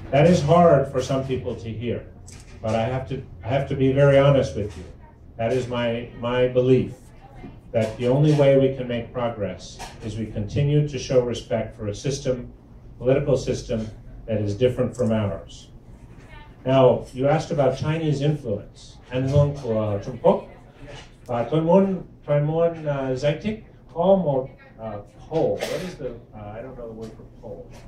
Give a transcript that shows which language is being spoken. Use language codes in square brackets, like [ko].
[en] That is hard for some people to hear, but I have to be very honest with you. That is my belief, that the only way we can make progress is we continue to show respect for a system, political system, that is different from ours. Now, you asked about Chinese influence. [vi] Anh hưởng của Trung Quốc. Và tôi muốn giải thích có một poll. [en] What is the, I don't know the word for poll.